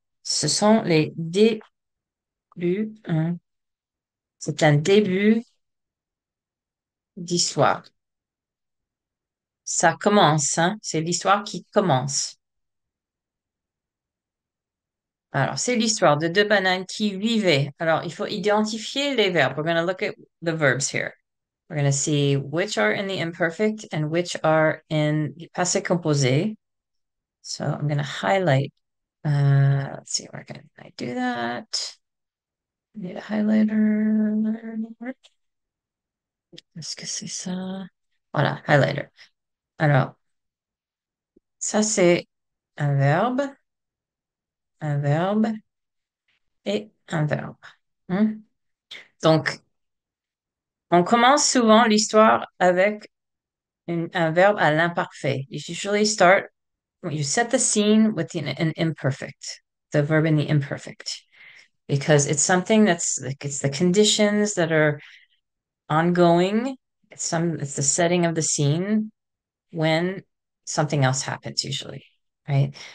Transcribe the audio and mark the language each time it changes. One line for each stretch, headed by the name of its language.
French: Ce sont les débuts. Hein. C'est un début d'histoire. Ça commence, hein. C'est l'histoire qui commence. Alors, c'est l'histoire de deux bananes qui vivaient. Alors, il faut identifier les verbes.
English: We're going to look at the verbs here. We're going to see which are in the imperfect and which are in the passé composé. So, I'm going to highlight. Let's see, where can I do that? I need a highlighter. Sasu. Hold on, highlighter.
French: Alors, ça c'est un verbe et un verbe. Donc, on commence souvent l'histoire avec un verbe à l'imparfait.
English: You usually start, you set the scene with an imperfect, the verb in the imperfect, because it's something that's like it's the conditions that are ongoing. It's the setting of the scene when something else happens, usually, right?